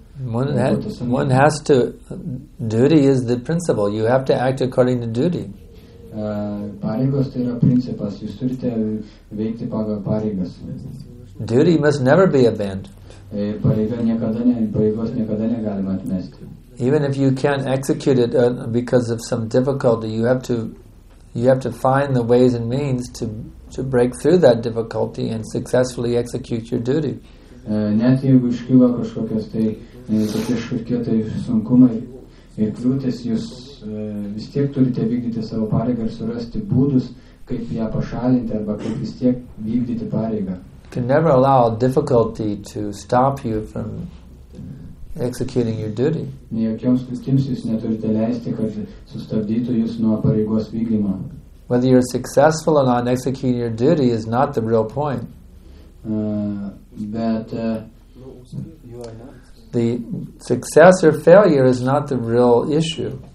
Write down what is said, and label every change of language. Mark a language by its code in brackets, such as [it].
[en] One has to, duty is the principle, you have to act according to duty. [lt] Pareigos tai yra principas, jūs turite veikti pagal pareigas. [en] Duty must never be abandoned. [lt] Pareigos niekada negalima atmesti. [en] Even if you can't execute it because of some difficulty, you have to find the ways and means to break through that difficulty and successfully execute your duty. [lt] Net jeigu iškyla kažkokios tai kažkokie tai sunkumai ir kliūtis, jūs vis tiek turite vykdyti savo pareigą ir surasti būdus, kaip ją pašalinti arba kaip vis tiek vykdyti pareigą. [en] Can never allow difficulty to stop you from executing your duty. [lt] Niekioms kliūtims jūs neturite leisti, kad sustabdytų jūs nuo pareigos vykdymo. [en] Whether you're successful or not in executing your duty is not the real point. The success or failure is not the real issue.